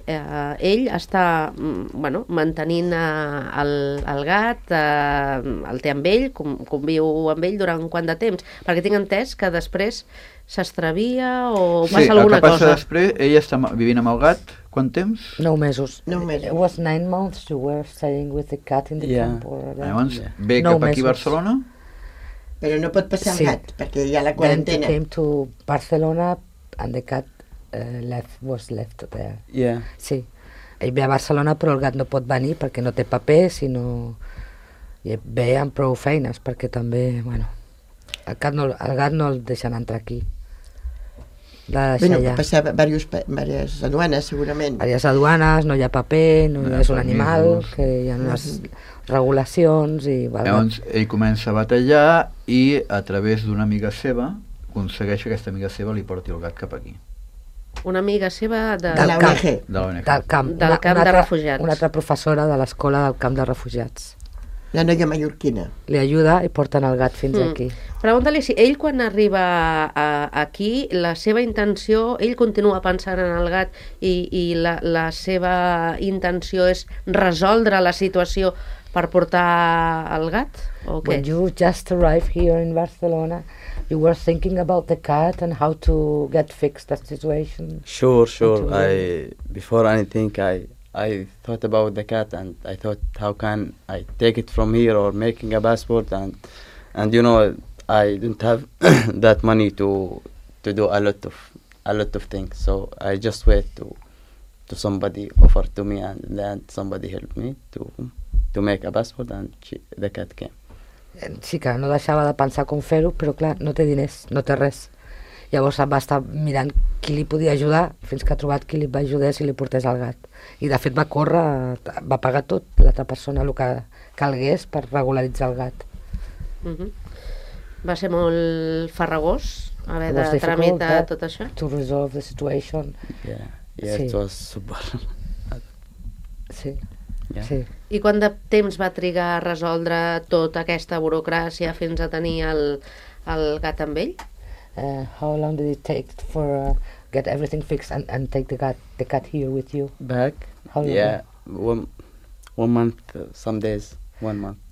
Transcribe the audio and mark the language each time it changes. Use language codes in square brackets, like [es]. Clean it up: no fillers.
[ca] Ell està mantenint el gat, el té amb ell, conviu amb ell durant quant de temps? Perquè tinc entès que després s'extravia o passa alguna cosa. Sí, el que passa després, ell està vivint amb el gat, quant temps? 9 mesos. 9 mesos. [en] It was 9 months you were staying with the cat in the camp. [ca] Llavors, ve cap aquí a Barcelona. Però no pot passar el gat, perquè hi ha la quarantena. [en] Then came to Barcelona and the cat was left there. Yeah. [ca] Sí. Ell ve a Barcelona, però el gat no pot venir perquè no té paper, sinó ve amb prou feines, perquè també, el gat no el deixen entrar aquí. Va passar diverses aduanes, segurament. Diverses aduanes, no hi ha paper, és un animal, que hi ha unes regulacions i... Llavors, ell comença a batallar i a través d'una amiga seva aconsegueix que aquesta amiga seva li porti el gat cap aquí. Una amiga seva del camp de refugiats. Una altra professora de l'escola del camp de refugiats. La noia mallorquina. Li ajuda i porten el gat fins aquí. Pregunta-li si ell quan arriba aquí, la seva intenció, ell continua pensant en el gat i la seva intenció és resoldre la situació per portar el gat? O què? [en] When you just arrived here in Barcelona, you were thinking about the cat and how to get fixed the situation? Sure. Before anything, I thought about the cat and I thought how can I take it from here or making a passport and you know I didn't have that money to do a lot of things, so I just wait to somebody offer to me and then somebody helped me to make a passport and the cat came. [ca] Sí, que no deixava de pensar com fer-ho, però clar, no té diners, no té res. Llavors va estar mirant qui li podia ajudar fins que ha trobat qui li va ajudar i li portés el gat. I de fet va córrer, va pagar tot, l'altra persona, el que calgués per regularitzar el gat. Mm-hmm. Va ser molt farragós haver de tramitar tot això. [en] To resolve the situation. Yeah, it was super. [ca] Sí. [en] Yeah. [ca] Sí. I quant de temps va trigar a resoldre tota aquesta burocràcia fins a tenir el gat amb ell? [en] How long did it take for get everything fixed and take the cat here with you? Back? How long? Yeah, one month, some days, 1 month.